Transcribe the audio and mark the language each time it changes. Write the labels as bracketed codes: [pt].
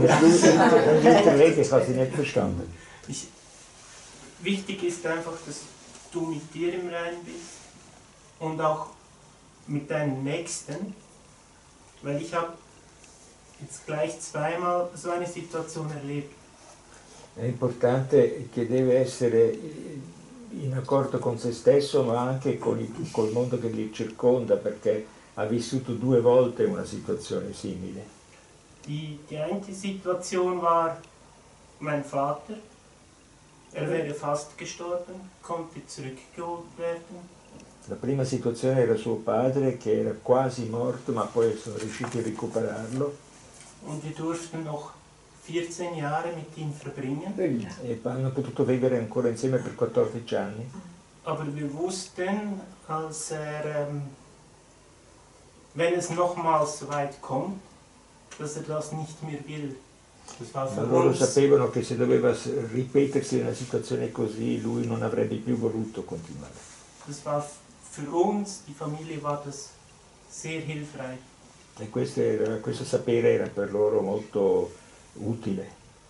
[de] Das hast du nicht verstanden. Wichtig ist einfach, dass du mit dir im Reinen bist und auch mit deinen Nächsten. Weil ich habe jetzt gleich zweimal so eine Situation erlebt. [it] È importante che deve essere in accordo con se stesso, ma anche col mondo che li circonda, perché ha vissuto due volte una situazione simile. [de] Die eine Situation war mein Vater, Er wäre fast gestorben, konnte zurückgeholt werden. [it] La prima situazione era suo padre che era quasi morto, ma poi sono riusciti a recuperarlo. [de] Und wir durften noch 14 Jahre mit ihm verbringen. [it] E hanno potuto vivere ancora insieme per 14 anni. [de] Aber wir wussten, als er, wenn es nochmals so weit kommt, dass er das nicht mehr will. [it] Ma loro sapevano che se doveva ripetersi una situazione così, lui non avrebbe più voluto continuare. [de] Das war für uns, die Familie, war das sehr hilfreich. [it] E questo sapere era per loro molto utile.